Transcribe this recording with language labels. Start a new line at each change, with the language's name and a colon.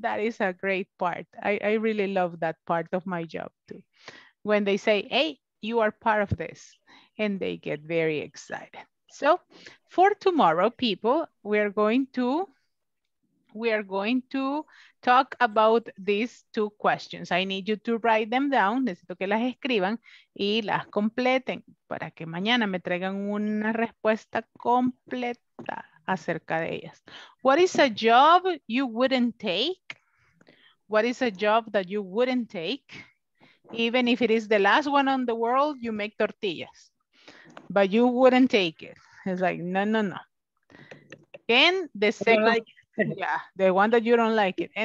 English: That is a great part. I really love that part of my job too. When they say, hey, you are part of this, and they get very excited. So for tomorrow, people, we are going to talk about these two questions. I need you to write them down.
Spanish: Necesito que las escriban y las completen para que mañana me traigan una respuesta completa acerca de ellas.
English: What is a job you wouldn't take? What is a job that you wouldn't take? Even if it is the last one in the world, you make tortillas, but you wouldn't take it. It's like, no, no, no. And the second, yeah, the one that you don't like it.